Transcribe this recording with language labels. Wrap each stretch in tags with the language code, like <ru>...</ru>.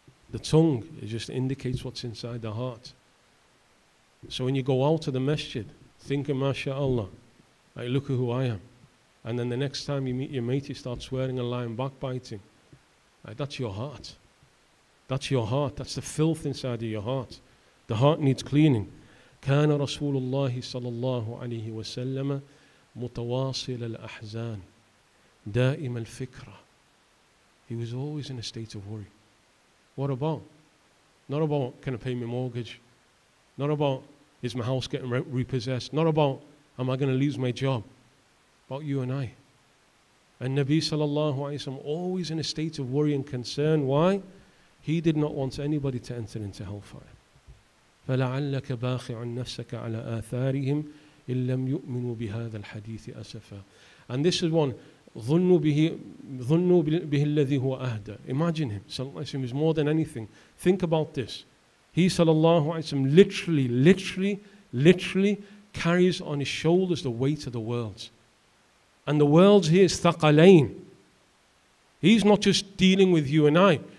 <en>The tongue, it just indicates what's inside the heart. So when you go out of the masjid, think of MashaAllah, like, look at who I am. And then the next time you meet your mate, you start swearing and lying, backbiting. Like, that's your heart. That's your heart. That's the filth inside of your heart. The heart needs cleaning.</en> <ar>كان رسول الله صلى الله عليه وسلم متواصل الأحزان دائم الفكرة.</ar> <en>He was always in a state of worry. What about? Not about, can I pay my mortgage? Not about, is my house getting repossessed? Not about, am I going to lose my job? About you and I. And Nabi sallallahu alayhi wa sallam, always in a state of worry and concern. Why? He did not want anybody to enter into hellfire.</en> <ar>فَلَعَلَّكَ بَاخِعٌ نَفْسَكَ عَلَىٰ آثَارِهِمْ إِن لَمْ يُؤْمِنُوا بِهَذَا الْحَدِيثِ أَسَفًا.</ar> <en>And this is one,</en> <ar>ظُنُّوا بِهِ الَّذِي هُوَ أَهْدَى.</ar> <en>Imagine him, sallallahu alayhi wa sallam, is more than anything. Think about this. He, sallallahu alayhi wa sallam, literally carries on his shoulders the weight of the world. And the world here is thaqalain. He's not just dealing with you and I.</en>